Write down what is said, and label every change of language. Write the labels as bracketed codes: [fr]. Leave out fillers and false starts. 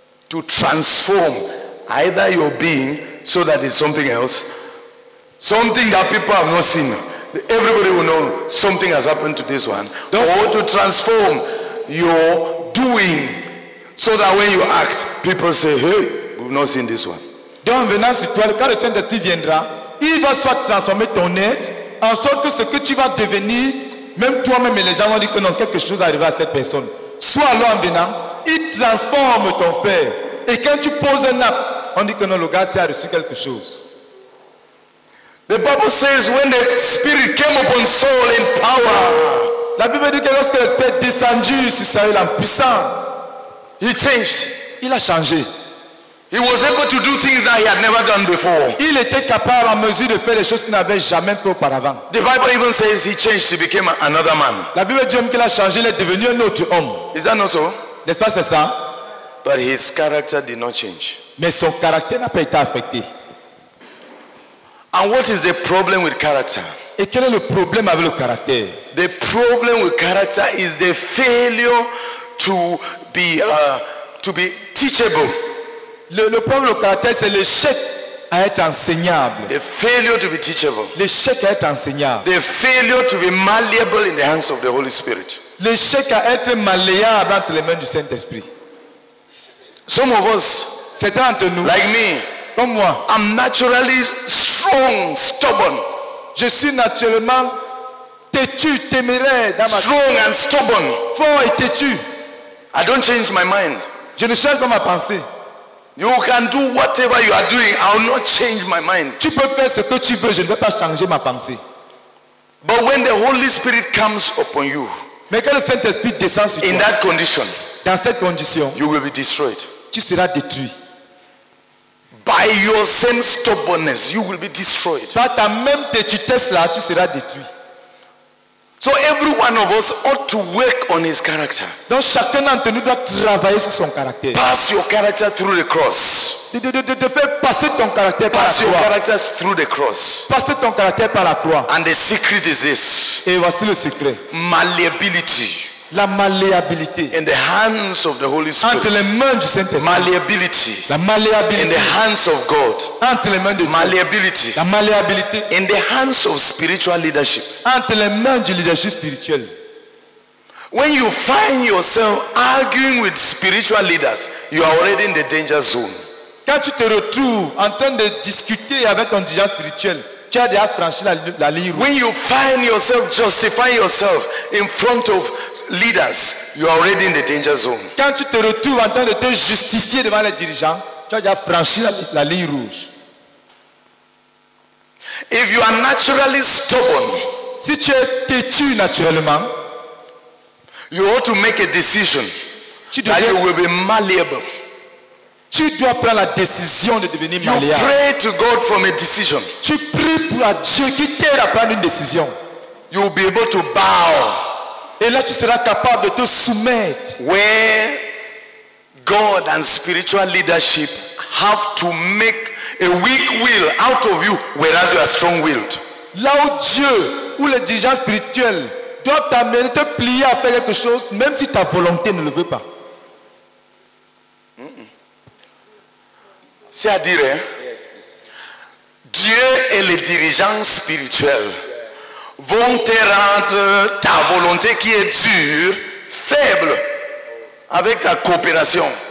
[en] To transform either your being so that it's something else. Something that people have not seen. Everybody will know something has happened to this one. Don't or to transform your doing so that when you act, people say, hey, we've not seen this one. [fr] Donc venant sur toi, quand le Saint-Esprit viendra, il va soit transformer ton être en sorte que ce que tu vas devenir. Même toi-même et les gens vont dire que non, quelque chose est arrivé à cette personne. Soit alors en venant, il transforme ton père. Et quand tu poses un acte, on dit que non, le gars s'est reçu quelque chose. [en] The Bible says when the Spirit came upon Saul in power. [fr] La Bible dit que lorsque le Spirit descendu sur Saul en puissance, [en] he changed. [fr] Il a changé. [en] He was able to do things that he had never done before. [fr] Il était capable en mesure de faire des choses qu'il n'avait jamais fait auparavant. [en] The Bible even says he changed, he became another man. [fr] La Bible dit qu'il a changé, il est devenu un autre homme. [en] Is that not so? [fr] N'est-ce pas c'est ça? [en] But his character did not change. [fr] Mais son caractère n'a pas été affecté. [en] And what is the problem with character? [fr] Et quel est le problème avec le caractère? [en] The problem with character is the failure to be teachable. [fr] Le problème au caractère, c'est l'échec à être enseignable. [en] The failure to be teachable. [fr] L'échec à être enseignable. [en] The failure to be malleable in the hands of the Holy Spirit. [fr] L'échec à être malléable entre les mains du Saint-Esprit. [en] Some of us, [fr] certains d'entre nous, [en] like me, [fr] comme moi, [en] I'm naturally strong, stubborn. [fr] Je suis naturellement têtu, téméraire dans ma [en] strong and stubborn. [fr] Fort et têtu. [en] I don't change my mind. [fr] Je ne change pas ma pensée. [en] You can do whatever you are doing. I will not change my mind. [fr] Tu peux faire ce que tu veux. Je ne vais pas changer ma pensée. [en] But when the Holy Spirit comes upon you, [fr] mais quand le Saint-Esprit descend sur [en] in in that condition, [fr] dans cette condition, [en] you will be destroyed. [fr] Tu seras détruit. [en] By your same stubbornness, you will be destroyed. [fr] Par ta même têtuesse là, tu seras détruit. [en] So every one of us ought to work on his character. [fr] Donc chacun d'entre nous doit travailler sur son caractère. [en] Pass your character through the cross. [fr] De faire passer ton caractère [en] pass [fr] par la croix. [en] Pass your character through the cross. [fr] Passer ton caractère par la croix. [en] And the secret is this. [fr] Et voici le secret. [en] Malleability. [fr] La malléabilité. [en] In the hands of the Holy Spirit. [fr] Entre les mains du Saint-Esprit. [en] Malleability. [fr] La malléabilité. [en] In the hands of God. [fr] Entre les mains de Dieu. [en] Malleability. [fr] La malléabilité. [en] In the hands of spiritual leadership. [fr] Entre les mains du leadership spirituel. [en] When you find yourself arguing with spiritual leaders, you are already in the danger zone. [fr] Quand tu te retrouves en train de discuter avec ton dirigeant spirituel, tu as déjà franchi la ligne rouge. [en] When you find yourself justifying yourself in front of leaders, you are already in the danger zone. [fr] Quand tu te retrouves en train de te justifier devant les dirigeants, tu as déjà franchi la ligne rouge. [en] If you are naturally stubborn, [fr] si tu es têtu naturellement, [en] you ought to make a decision that you will be malleable. [fr] Tu dois prendre la décision de devenir malléable. [en] You pray to God for a decision. [fr] Tu pries pour à Dieu qui t'aide à prendre une décision. [en] You will be able to bow. [fr] Et là, tu seras capable de te soumettre. [en] Where God and spiritual leadership have to make a weak will out of you, whereas you are strong-willed. [fr] Là où Dieu, où les dirigeants spirituels doivent t'amener, te plier à faire quelque chose, même si ta volonté ne le veut pas. C'est-à-dire, Dieu et les dirigeants spirituels vont te rendre ta volonté qui est dure, faible, avec ta coopération.